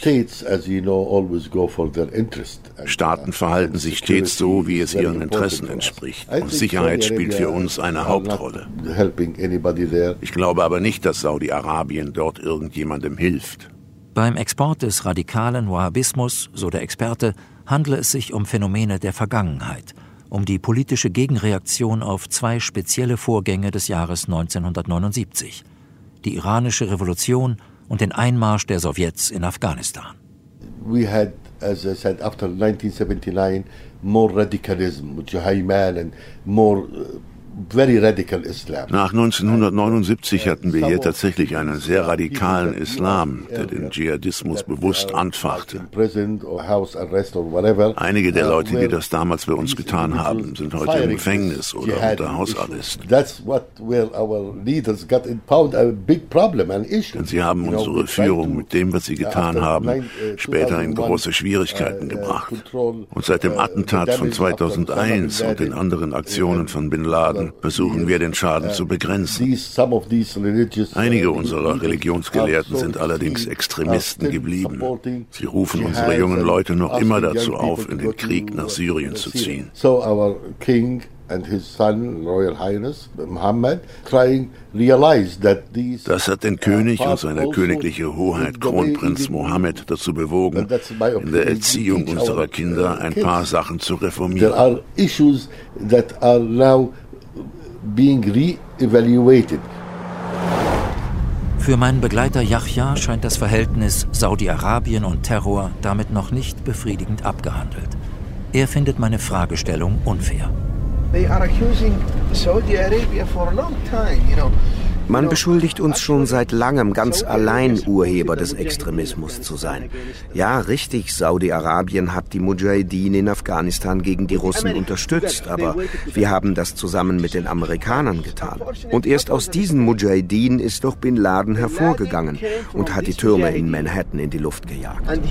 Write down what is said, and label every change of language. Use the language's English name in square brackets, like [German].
[English] States, as you know, always go for their interest. [German] Staaten verhalten sich stets so, wie es ihren Interessen entspricht. Und Sicherheit spielt für uns eine Hauptrolle. Ich glaube aber nicht, dass Saudi-Arabien dort irgendjemandem hilft. Beim Export des radikalen Wahhabismus, so der Experte, handle es sich um Phänomene der Vergangenheit, um die politische Gegenreaktion auf zwei spezielle Vorgänge des Jahres 1979, die iranische Revolution und den Einmarsch der Sowjets in Afghanistan. [English] We had, as I said, after 1979, more radicalism, Juhayman and more very radical Islam. [German] Nach 1979 hatten wir hier tatsächlich einen sehr radikalen Islam, der den Dschihadismus bewusst anfachte. Einige der Leute, die das damals bei uns getan haben, sind heute im Gefängnis oder unter Hausarrest. [English] That's what our leaders got in power, a big problem, an issue. [German] Denn sie haben unsere Führung mit dem, was sie getan haben, später in große Schwierigkeiten gebracht. Und seit dem Attentat von 2001 und den anderen Aktionen von Bin Laden versuchen wir, den Schaden zu begrenzen. Einige unserer Religionsgelehrten sind allerdings Extremisten geblieben. Sie rufen unsere jungen Leute noch immer dazu auf, in den Krieg nach Syrien zu ziehen. [English] So our king and his son, Royal Highness Mohammed, trying realize that these. [German] Das hat den König und seine königliche Hoheit Kronprinz Mohammed dazu bewogen, in der Erziehung unserer Kinder ein paar Sachen zu reformieren. [English] There are issues that are now being re-evaluated. [German] Für meinen Begleiter Yahya scheint das Verhältnis Saudi-Arabien und Terror damit noch nicht befriedigend abgehandelt. Er findet meine Fragestellung unfair. [English] They are accusing Saudi Arabia for a long time, you know. [German] Man beschuldigt uns schon seit langem, ganz allein Urheber des Extremismus zu sein. Ja, richtig, Saudi-Arabien hat die Mujahideen in Afghanistan gegen die Russen unterstützt, aber wir haben das zusammen mit den Amerikanern getan. Und erst aus diesen Mujahideen ist doch Bin Laden hervorgegangen und hat die Türme in Manhattan in die Luft gejagt.